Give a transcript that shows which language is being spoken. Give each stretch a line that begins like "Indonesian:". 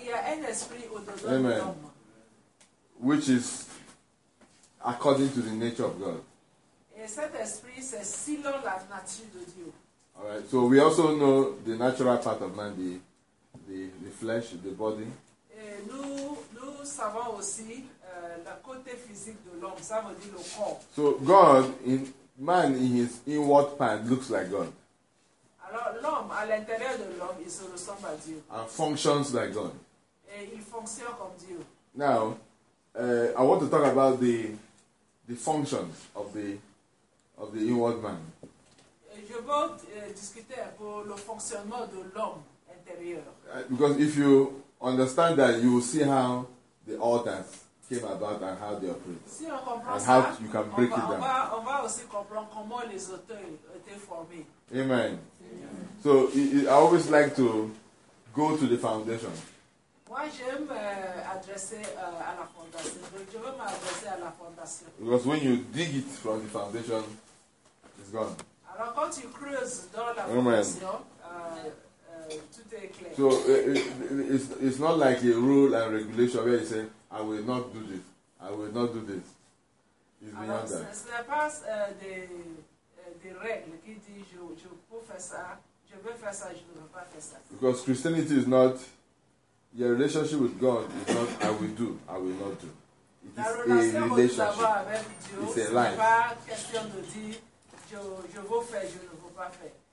French: Alors, il y a un esprit au-dedans de l'homme.
English: Which is according to the nature of God.
French: Et cet esprit, c'est selon la nature de Dieu.
English: All right. So we also know the natural part of man, the flesh, the body.
French: Et nous savons aussi le côté physique de l'homme, ça veut dire le corps.
English: So God, in his inward part, looks like God.
French: Alors, l'homme, à l'intérieur de l'homme, il se ressemble à Dieu.
English: And functions like God.
French: Et il fonctionne comme Dieu.
English: Now, I want to talk about the functions of the inward man.
French: Et je veux discuter pour le fonctionnement de l'homme intérieur.
English: Because if you understand that, you will see how the altars came about and how they operate.
French: Si on comprend
English: and
French: ça,
English: how you can break it down.
French: On va aussi comprendre comment les altars étaient formés.
English: Amen. So I always like to go to the foundation.
French: Moi, j'aime adresser à la fondation. Je veux m'adresser à la fondation.
English: Because when you dig it from the foundation, it's gone.
French: Alors quand tu creuses dans la fondation, tout est clair.
English: So it's not like a rule and regulation where you say, I will not do this. I will not do this. It's
French: alors,
English: beyond that.
French: Ce n'est pas des règles qui disent, je peux faire ça. Je veux faire ça, je ne veux pas faire ça.
English: Because Christianity is not, your relationship with God is not, I will do, I will not do. It is a relationship. It's a life.
French: Ce n'est pas question de dire, je veux faire, je ne veux pas faire.